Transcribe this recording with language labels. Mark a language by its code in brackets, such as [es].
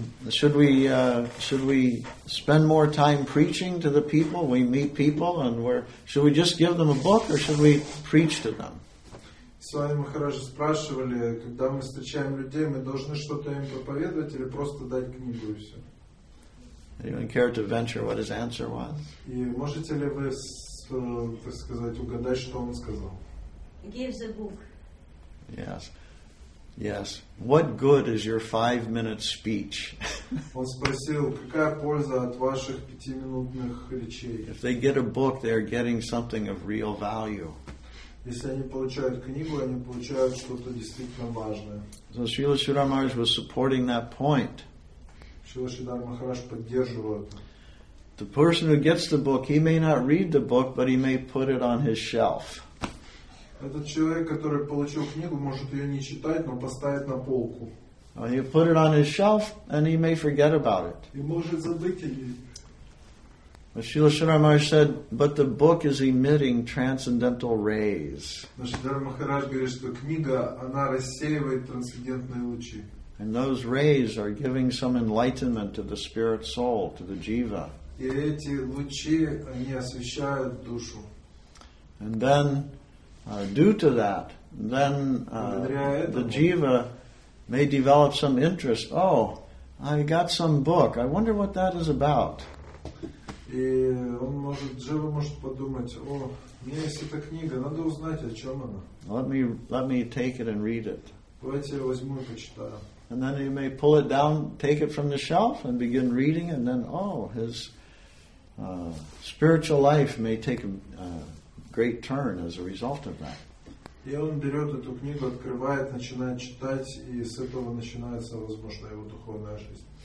[en] Should we spend more time preaching to the people? We meet people and should we just give them a book or should we preach to them? [ru] Swami Maharaj спрашивали, когда мы встречаем людей, мы должны что-то им проповедовать или просто дать книгу и все? [en] Anyone care to venture what his answer was? [ru] И можете ли вы, так сказать, угадать, что он сказал? [en] Give the book. Yes. Yes. What good is your 5-minute speech? [ru] Он спросил, какая польза от ваших 5-минутных речей? [en] If they get a book, they are getting something of real value. [ru] Если они получают книгу, они получают что-то действительно важное. [en] So Srila Sridhar Maharaj was supporting that point. [ru] Srila Sridhar Maharaj поддерживал это. [en] The person who gets the book, he may not read the book, but he may put it on his shelf. [ru] Этот человек, который получил книгу, может ее не читать, но поставить на полку. [en] And he put it on his shelf, and he may forget about it. [ru] И может забыть о ней. [en] But Srila Sridhar Maharaj said, but the book is emitting transcendental rays. [ru] Шридхар Махарадж говорит, что книга, она рассеивает трансцендентные лучи. [en] And those rays are giving some enlightenment to the spirit soul, to the jiva. [ru] И эти лучи, они освещают душу. [en] And then, due to that, then the jiva may develop some interest. Oh, I got some book. I wonder what that is about. [ru] И он может, Джива может подумать, о, у меня есть эта книга, надо узнать, о чем она. [en] Let me take it and read it. [ru] Давайте я возьму и почитаю. [en] And then he may pull it down, take it from the shelf and begin reading, and then, oh, his spiritual life may take a great turn as a result of that. [ru] И он берет эту книгу, открывает, начинает читать, и с этого начинается, возможно, его духовная жизнь.